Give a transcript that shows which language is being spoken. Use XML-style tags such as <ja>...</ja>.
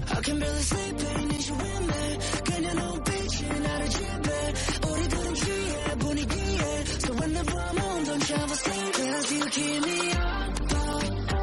<en>I can barely sleep and need you with me.</en> <ko>그냥 눈빛이 나를 지배. 우리 둘은 취해 분위기에.</ko> <en>So whenever I'm on, don't you ever sleep. Cause you keep me up.</en>